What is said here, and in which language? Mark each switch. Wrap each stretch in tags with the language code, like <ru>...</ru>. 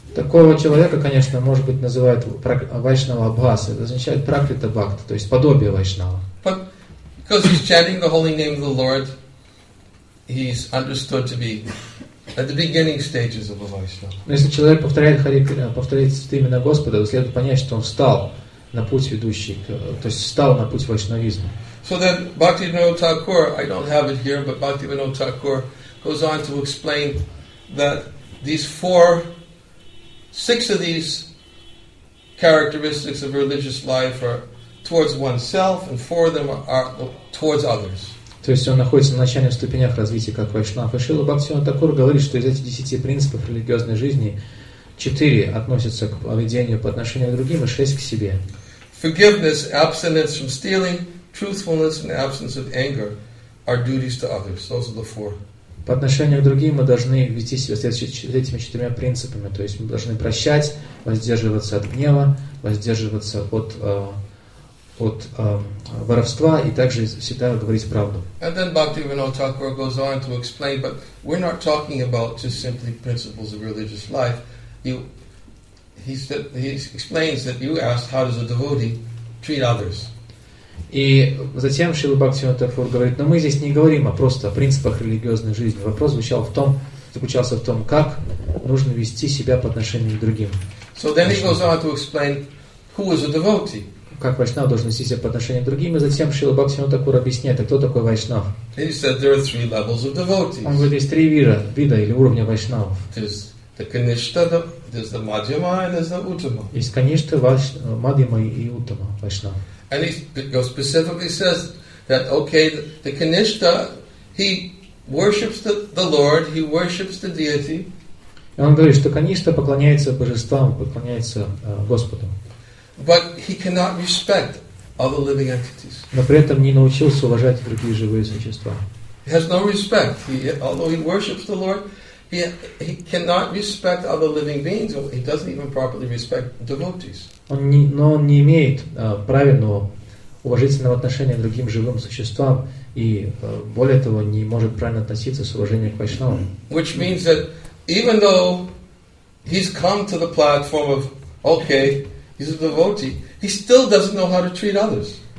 <ru>Такого человека, конечно, может быть, называют Вайшнава Абхаса. Это означает Пракрита Бхакта, то есть подобие Вайшнава.</ru> <en>But because he's chanting the holy name of the Lord, he's understood to be at the beginning stages of a Vaishnava.</en> <ru>Но если человек повторяет Хари, повторяет имя Господа, то следует понять, что он встал на путь ведущий, то есть встал на путь вайшнавизма.</ru> <en>So then Bhaktivinoda Thakur, I don't have it here, but Bhaktivinoda Thakur goes on to explain that these four, six of these characteristics of religious life are towards oneself, and four of them are towards others.</en> <ru>То есть он находится на начальных ступенях развития как вайшнав. И Шрила Бхактивинода Тхакур говорит, что из этих десяти принципов религиозной жизни четыре относятся к поведению по отношению к другим и шесть к себе.</ru> <en>Forgiveness, abstinence from stealing, truthfulness and absence of anger are duties to others. Those are the four.</en> <ru>По отношению к другим мы должны вести себя с этими четырьмя принципами. То есть мы должны прощать, воздерживаться от гнева, воздерживаться от, от воровства и также всегда говорить правду.</ru> <en>And then Bhaktivinoda Thakur goes on to explain, but we're not talking about just simply principles of religious life. He explains that you asked how does a devotee treat others.</en> <ru>И затем Шрила Бхактивинода Тхакур говорит, но мы здесь не говорим, а просто о принципах религиозной жизни. Вопрос звучал в том, заключался в том, как нужно вести себя по отношению к другим.</ru> <en>So then he goes on to explain who is a devotee.</en> <ru>Как вайшнав должен вести себя по отношению к другим, и затем Шрила Бхактивинода Тхакур объясняет, кто такой вайшнав.</ru> <en>He said there are three levels of devotees.</en> <ru>Он говорит, есть три вида или уровня вайшнавов.</ru> <en>There's the Kanishta, there's the Madhyama, and there's the Uttama.</en> <ru>Есть Каништа, Мадхьяма и Уттама, вайшнав.</ru> <en>And he specifically says that, okay, the Kanishta, he worships the Lord, he worships the deity.</en> <ru>И он говорит, что Каништа поклоняется божествам, поклоняется Господу.</ru> <en>But he cannot respect other living entities.</en> <ru>Но при этом не научился уважать другие живые существа.</ru> <en>He has no respect. Although he worships the Lord, he cannot respect other living beings. He doesn't even properly respect devotees.</en> <ru>Но он не имеет правильного уважительного отношения к другим живым существам и, более того, не может правильно относиться с уважением к вайшнавам.</ru> <en>Which means that even though he's come to the platform of, okay, he's a devotee, he still doesn't know how to treat others.</en>